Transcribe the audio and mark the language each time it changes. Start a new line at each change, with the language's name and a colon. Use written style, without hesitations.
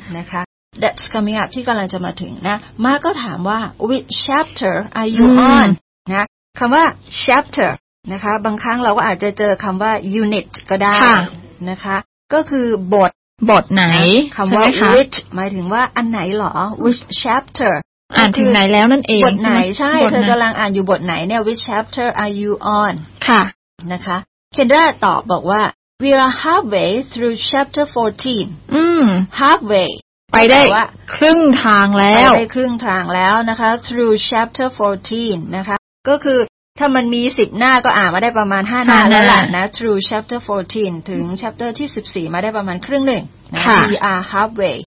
Thai: นะคะ
English: that's coming up
Thai: ที่กำลังจะมาถึงนะมาก็ถามว่า
English: which chapter are you on
Thai: นะคำว่า chapter นะคะบางครั้งเราก็อาจจะเจอคำว่า unit ก็ได้ นะคะก็คือบท ไหน คำว่า which หมายถึงว่าอันไหนหรอ which chapteru ่านถึงไหนแล้วนั่นเอง บทไหนใช่เธอกำลังอ่านอยู่บทไหนเนี่ย
English: which chapter are you on
Thai: ค่ะ นะคะ Kendra ตอบบอกว่า
English: we are halfway through chapter 14 halfway
Thai: ไปได้ครึ่งทางแล้ว ไปได้ครึ่งทางแล้วนะคะ
English: through chapter 14
Thai: นะคะก็คือถ้ามันมี10หน้าก็อ่านมาได้ประมาณ5หน้าแล้วแหละนะ through chapter 14ถึง chapter ที่14มาได้ประมาณครึ่งหนึ่ง
English: we are halfway